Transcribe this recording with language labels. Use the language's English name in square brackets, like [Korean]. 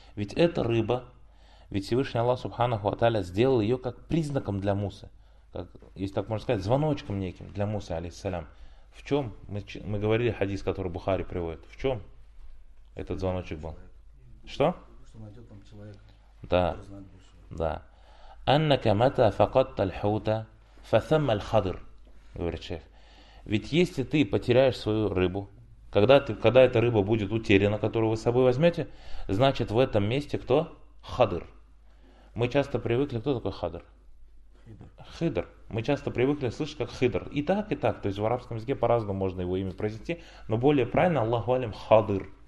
[Russian] Ведь эта рыба, ведь Всевышний Аллах Субханаху ва Тааля сделал ее как признаком для Мусы. Как, если так можно сказать, звоночком неким для Мусы, алейхиссалям. В чем? Мы говорили хадис, который Бухари приводит. В чем этот звоночек был? Что? Что найдет там человек. Да. Да. [Arabic] أنك متى فقدت الحوت فثم الخضر. [Russian] Говорит шеф, ведь если ты потеряешь свою рыбу, когда эта рыба будет утеряна, которую вы с собой возьмете, значит в этом месте кто? Хадыр. Мы часто привыкли, кто такой хадыр? Хыдр. Мы часто привыкли слышать как хыдр. И так, то есть в арабском языке по-разному можно его имя произнести, но более правильно Аллаху алим хадыр.